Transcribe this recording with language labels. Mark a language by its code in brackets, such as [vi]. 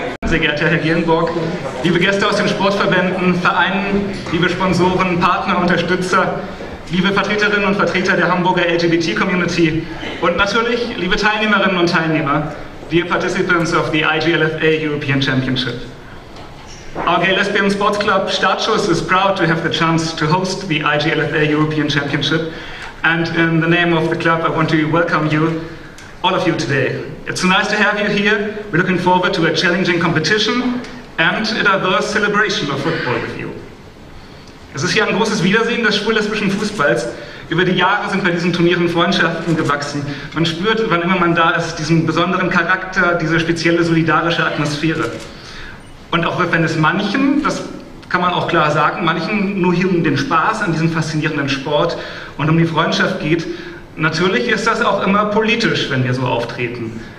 [de] sehr geehrter Herr Gierenburg, liebe Gäste aus den Sportverbänden, Vereinen, liebe Sponsoren, Partner, Unterstützer, liebe Vertreterinnen und Vertreter der Hamburger LGBT-Community und natürlich liebe Teilnehmerinnen und Teilnehmer, [en] dear participants of the IGLFA European Championship. Our Gay Lesbian Sports Club Startschuss is proud to have the chance to host the IGLFA European Championship, and in the name of the club I want to welcome you, all of you today. It's nice to have you here, we're looking forward to a challenging competition and a diverse celebration of football with you. [de] Es ist hier ein großes Wiedersehen des schwul-lesbischen Fußballs. Über die Jahre sind bei diesen Turnieren Freundschaften gewachsen. Man spürt, wann immer man da ist, diesen besonderen Charakter, diese spezielle solidarische Atmosphäre. Und auch wenn es manchen, das kann man auch klar sagen, manchen nur hier um den Spaß an diesem faszinierenden Sport und um die Freundschaft geht, natürlich ist das auch immer politisch, wenn wir so auftreten.